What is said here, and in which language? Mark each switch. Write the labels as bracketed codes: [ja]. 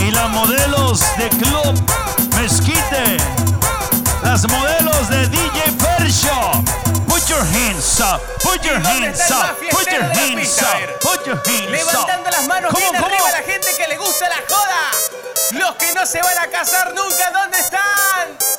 [es] Modelos de Club Mezquite, las modelos de DJ Fercho. [en] Put your hands up, put your hands up, put your hands up, put your hands up. [es] Levantando las manos bien arriba a la gente que le gusta la joda. Los que no se van a casar nunca, ¿dónde están?